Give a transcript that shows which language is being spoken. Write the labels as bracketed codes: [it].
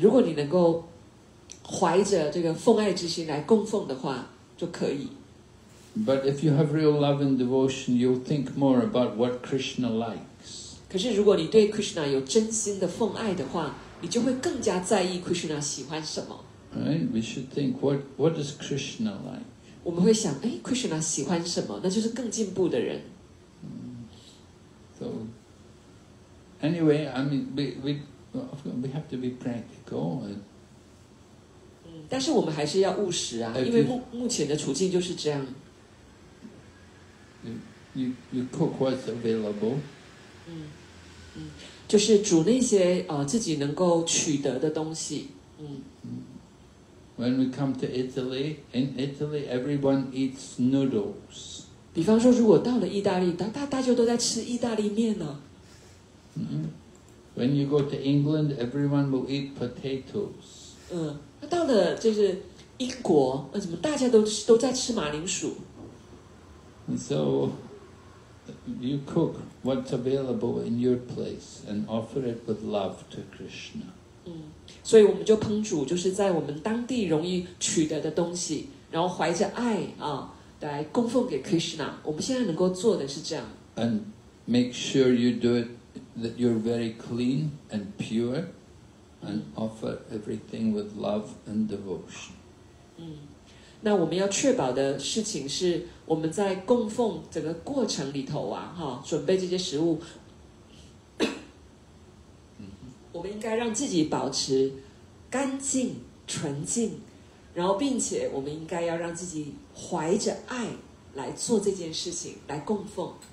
[zh] 如果你能够怀着这个奉爱之心来供奉的话，就可以。 [en] But if you have real love and devotion, you'll think more about what Krishna likes。 [zh] 可是如果你对 Krishna 有真心的奉爱的话，你就会更加在意 Krishna 喜欢什么。 [en] Right, we should think what does Krishna like? [zh] 我们会想，哎 ，Krishna 喜欢什么？那就是更进步的人。 [en] So, anyway, I mean, we have to be practical. [zh] 但是我们还是要务实啊，因为目前的处境就是这样。 [en] You cook what's available. [zh] 就是煮那些自己能够取得的东西。 [en] When we come to Italy, in Italy, everyone eats noodles. [zh] 比方说，如果到了意大利，大家都在吃意大利面呢。 [en] When you go to England, everyone will eat potatoes. [zh] 到了就是英国，怎么大家都在吃马铃薯 [en] ？And so, you cook what's available in your place and offer it with love to Krishna. [zh] 所以我们就烹煮，就是在我们当地容易取得的东西，然后怀着爱啊，来供奉给 Krishna。我们现在能够做的是这样。 [en] And make sure you do it that you're very clean and pure, and offer everything with love and devotion. [zh] 那我们要确保的事情是，我们在供奉整个过程里头啊，哈，准备这些食物。我们应该让自己保持干净纯净，然后并且我们应该要让自己怀着爱来做这件事情，来供奉。